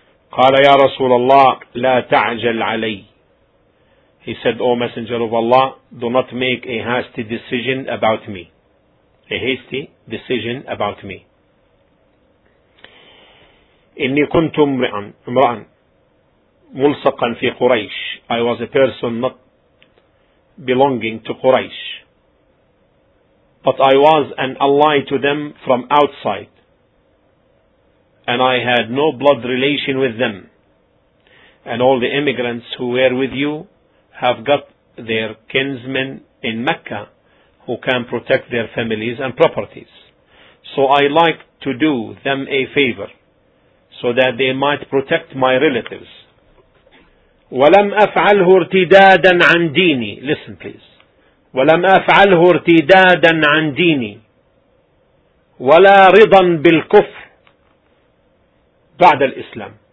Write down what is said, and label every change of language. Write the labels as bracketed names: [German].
[Arabic] قال يا رسول الله لا تعجل علي. [English] He said, O Messenger of Allah, do not make a hasty decision about me. A hasty decision about me. [Arabic] إني كنت امرأ ملصقا في قريش. [English] I was a person not belonging to Quraysh. But I was an ally to them from outside. And I had no blood relation with them. And all the immigrants who were with you have got their kinsmen in Mecca who can protect their families and properties. So I like to do them a favor so that they might protect my relatives. [Arabic] وَلَمْ أَفْعَلْهُ ارْتِدَادًا عَنْ دِينِي. [English] Listen please. [Arabic] وَلَمْ أَفْعَلْهُ ارْتِدَادًا عَنْ دِينِي وَلَا رِضًا بِالْكُفْرِ بعد الإسلام.